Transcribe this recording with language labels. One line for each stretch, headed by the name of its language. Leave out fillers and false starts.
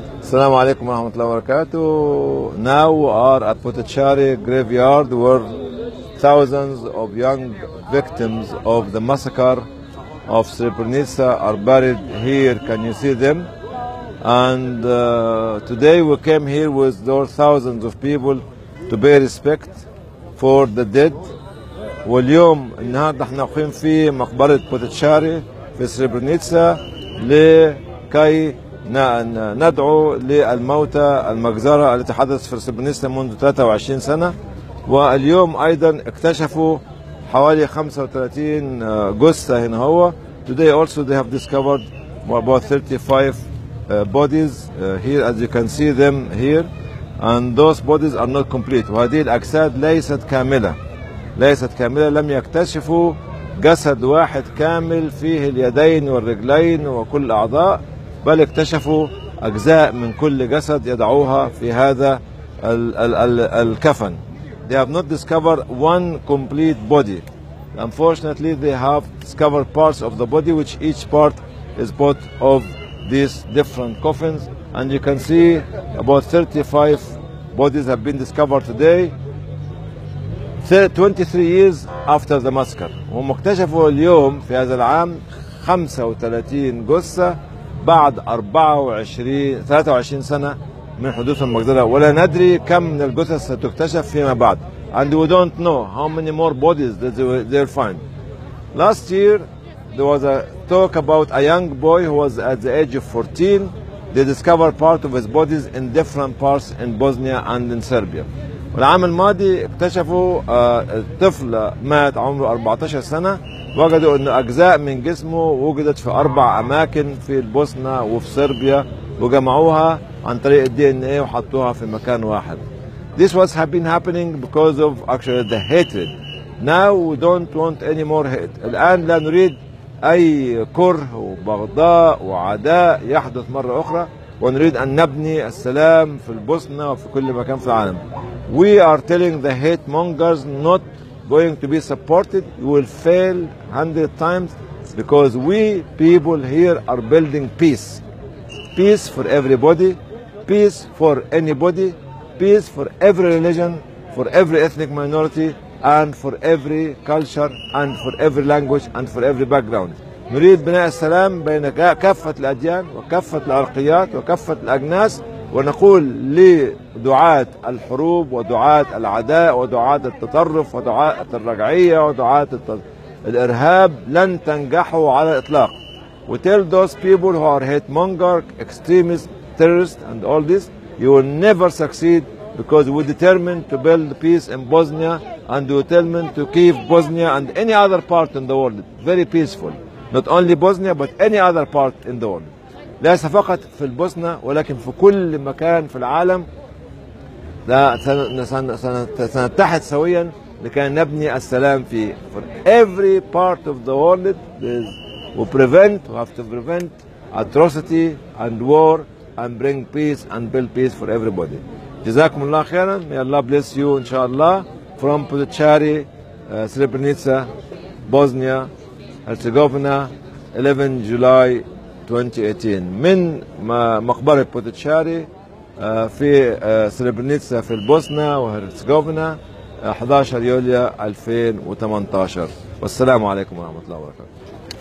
Arabic: السلام عليكم ورحمة الله وبركاته.
English: Now we are at Puttachary graveyard where thousands of young victims of the massacre of Srebrenica are buried here. Can you see them? And today we came here with those thousands of people to pay respect for the dead.
Arabic: واليوم النهاردة احنا واقفين في مقبرة بوتشاري في سربرنيتسا لكي ندعو للموتى المجزرة التي حدثت في سربرنيتسا منذ 23 سنة. واليوم أيضا اكتشفوا حوالي 35 جثة هنا.
English: هو today also they have discovered about 35 bodies here, as you can see them here, and those bodies are not complete.
Arabic: وهذه الأجساد ليست كاملة. لم يكتشفوا جسد واحد كامل فيه اليدين والرجلين وكل الأعضاء، بل اكتشفوا أجزاء من كل جسد يضعوها في هذا الكفن.
English: They have not discovered one complete body. Unfortunately, they have discovered parts of the body, which each part is part of these different coffins. And you can see about 35 bodies have been discovered today. 23 years after the massacre.
Arabic: هم اكتشفوا اليوم في هذا العام 35 جثة بعد 23 سنة من حدوث المجزرة، ولا ندري كم من الجثث ستكتشف فيما بعد.
English: And we don't know how many more bodies that they'll find. Last year there was a talk about a young boy who was at the age of 14. They discovered part of his bodies in different parts in Bosnia and in Serbia.
Arabic: والعام الماضي اكتشفوا طفل مات عمره 14 سنة، وجدوا أن أجزاء من جسمه وجدت في أربع أماكن في البوسنة وفي صربيا، وجمعوها عن طريق الدي إن إيه وحطوها في مكان واحد.
English: This was have been happening because of actually the hatred. Now we don't want any more hate.
Arabic: الآن لا نريد أي كره وبغضاء وعداء يحدث مرة أخرى، ونريد أن نبني السلام في البوسنة وفي كل مكان في العالم.
English: We are telling the hate mongers not going to be supported. You will fail 100 times because we people here are building peace. Peace for everybody, peace for anybody, peace for every religion, for every ethnic minority, and for every culture, and for every language, and for every background.
Arabic: نريد بناء السلام بين كافة الأديان وكافة العرقيات وكافة الأجناس، ونقول لدعاة الحروب ودعاة العداء ودعاة التطرف ودعاة الرجعية ودعاة الإرهاب لن تنجحوا على الإطلاق.
English: We tell those people who are hate monger, extremist, terrorist and all this, you will never succeed because we determined to build peace in Bosnia and we determined to keep Bosnia and any other part in the world very peaceful. Not only Bosnia but any other part in the world.
Arabic: ليس فقط في البوسنة ولكن في كل مكان في العالم. لا سنتحد سويا لكي نبني السلام في
English: for every part of the world. We have to prevent atrocity and war and bring peace and build peace for everybody.
Arabic: جزاكم الله خيرا.
English: May Allah bless you
Arabic: إن شاء الله.
English: From Puttachary, Srebrenica, Bosnia, Herzegovina, 11 July 2018.
Arabic: من مقبرة بوتشاري في سربنيتسا في البوسنة وهرسغوفنا 11 يوليو 2018. والسلام عليكم ورحمة الله وبركاته.